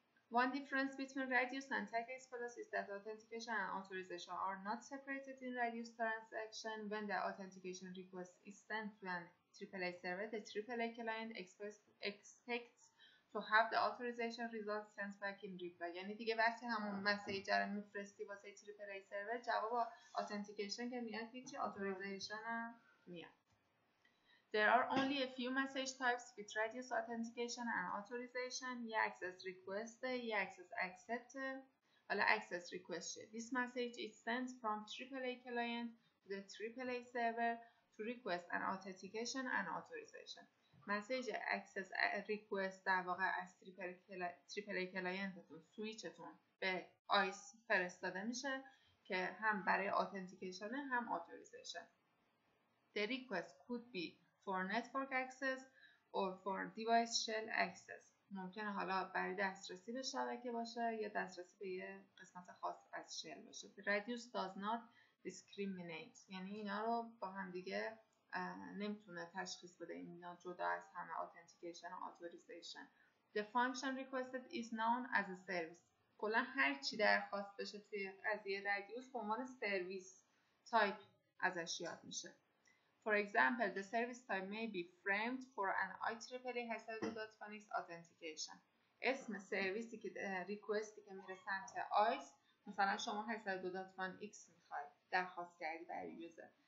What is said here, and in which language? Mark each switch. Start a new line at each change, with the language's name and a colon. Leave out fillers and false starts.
English: One difference between radius and tech plus is that authentication and authorization are not separated in radius transaction. When the authentication request is sent to an AAA server, the AAA client expects to have the authorization result sent back in reply.
Persian: یعنی دیگه وقتی همون مسیج رو میفرستی واسه AAA server جواب authentication که میاد هیچی authorization هم میاد.
English: There are only a few message types with radius authentication and authorization.
Persian: یه access request، یه access accept، حالا access request.
English: This message is sent from AAA client to the AAA server to request an authentication and authorization.
Persian: Message access request در واقع از AAA client سویچتون به ICE فرستاده میشه که هم برای authentication هم authorization.
English: The request could be for network access or for device shell access.
Persian: ممکنه حالا برای دسترسی به شبکه باشه یا دسترسی به یه قسمت خاص از شل باشه.
English: Radius does not discriminate.
Persian: یعنی اینا رو با هم دیگه نمیتونه تشخیص بده. اینا جدا از همه authentication و authorization.
English: The function requested is known as a service.
Persian: کلا هر چی درخواست بشه توی از یه radius به عنوان سرویس تایپ ازش یاد میشه.
English: For example, the service type may be framed for an IEEE 802.1x authentication.
Persian: اسم سرویسی که ریکوستی که میره سمت آیس، مثلا شما 802.1x میخوای درخواست کردی برای یوزر.